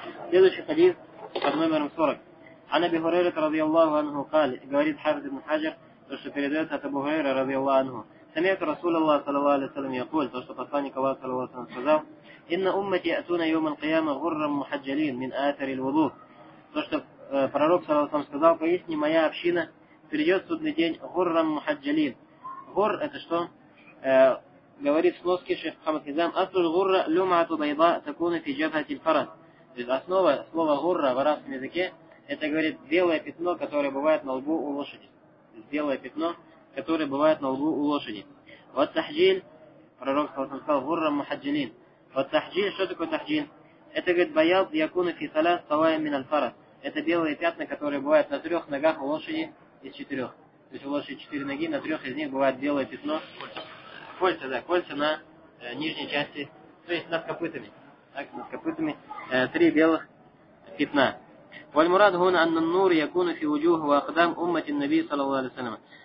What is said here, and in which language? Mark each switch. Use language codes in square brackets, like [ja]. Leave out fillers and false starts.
[ru] Следующий хадис под номером 40. [ar] عن أبي هريرة رضي الله عنه قال [ru] говорит [ar] حافظ ابن حجر [ru] то что передается от [ar] أبو هريرة رضي الله عنه سمعت رسول الله صلى الله عليه وسلم يقول [ru] то что посланник Аллаха [ar] صلى الله عليه وسلم сказал إن أمتي أتون يوم القيامة غرا محجلين من آثار الوضوء [ru] то что пророк [ar] صلى الله عليه وسلم [ru] сказал поистине моя община придет в судный день [ar] غرا محجلين غر [ru] это что говорит сноски шейх Мухаммад Низам [ar] أصل الغرة لمعة بيضاء تكون في جبهة الفرس [ru] то есть основа слова غرّة в арабском языке это говорит белое пятно, которое бывает на лбу у лошади. Белое пятно, которое бывает на лбу у лошади. Вот тахджиль, пророк сказал, [ar] гурра мухаджилин. [ru] Вот тахджиль, что такое тахджиль? Это говорит [ar] баяд якуна фи салас салая мин аль-фарас. [ru] Это белые пятна, которые бывают на трех ногах у лошади из четырех. То есть у лошади четыре ноги, на трех из них бывает белое пятно. Кольца, да, кольца на нижней части, то есть над копытами. Так, над копытами три белых пятна. [ar] والمراد هنا أن النور يكون في وجوه وأقدام أمة النبي صلى الله عليه وسلم.